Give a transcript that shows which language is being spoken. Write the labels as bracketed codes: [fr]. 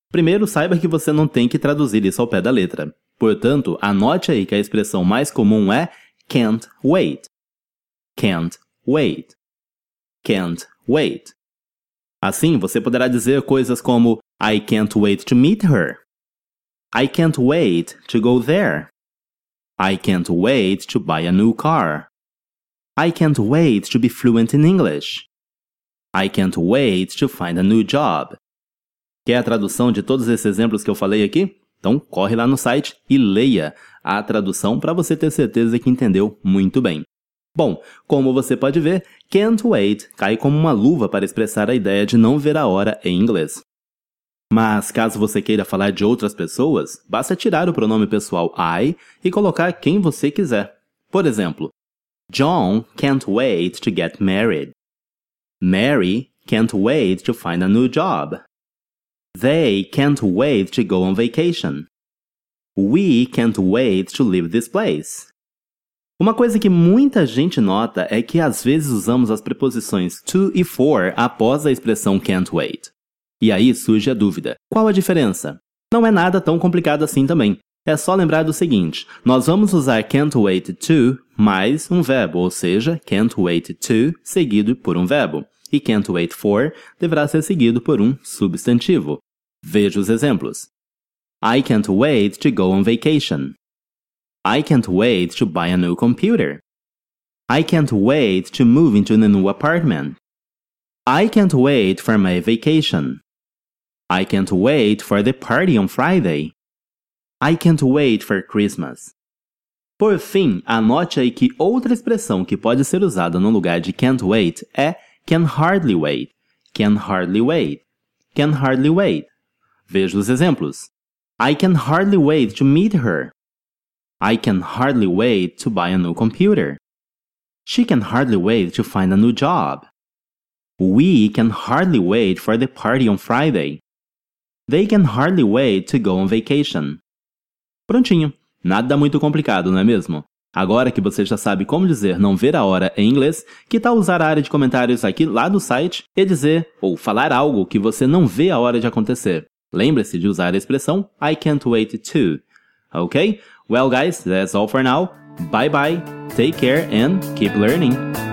[pt] Primeiro, saiba que você não tem que traduzir isso ao pé da letra. Portanto, anote aí que a expressão mais comum é can't wait. [en] Can't wait. Can't wait. [pt] Assim, você poderá dizer coisas como [en] I can't wait to meet her. I can't wait to go there. I can't wait to buy a new car. I can't wait to be fluent in English. I can't wait to find a new job. [pt] Quer a tradução de todos esses exemplos que eu falei aqui? Então, corre lá no site e leia a tradução para você ter certeza que entendeu muito bem. Bom, como você pode ver, can't wait cai como uma luva para expressar a ideia de não ver a hora em inglês. Mas, caso você queira falar de outras pessoas, basta tirar o pronome pessoal I e colocar quem você quiser. Por exemplo, [en] John can't wait to get married. Mary can't wait to find a new job. They can't wait to go on vacation. We can't wait to leave this place. [pt] Uma coisa que muita gente nota é que às vezes usamos as preposições to e for após a expressão can't wait. E aí surge a dúvida, qual a diferença? Não é nada tão complicado assim também. É só lembrar do seguinte, nós vamos usar can't wait to mais um verbo, ou seja, can't wait to seguido por um verbo. E can't wait for deverá ser seguido por um substantivo. Veja os exemplos. [en] I can't wait to go on vacation. I can't wait to buy a new computer. I can't wait to move into a new apartment. I can't wait for my vacation. I can't wait for the party on Friday. I can't wait for Christmas. [pt] Por fim, anote aí que outra expressão que pode ser usada no lugar de can't wait é can hardly wait, can hardly wait, can hardly wait. Veja os exemplos. [en] I can hardly wait to meet her. I can hardly wait to buy a new computer. She can hardly wait to find a new job. We can hardly wait for the party on Friday. They can hardly wait to go on vacation. [pt] Prontinho, nada muito complicado, não é mesmo? Agora que você já sabe como dizer não ver a hora em inglês, que tal usar a área de comentários aqui lá no site e dizer ou falar algo que você não vê a hora de acontecer? Lembre-se de usar a expressão I can't wait to. [en] Ok? Well, guys, that's all for now. Bye-bye, take care and keep learning!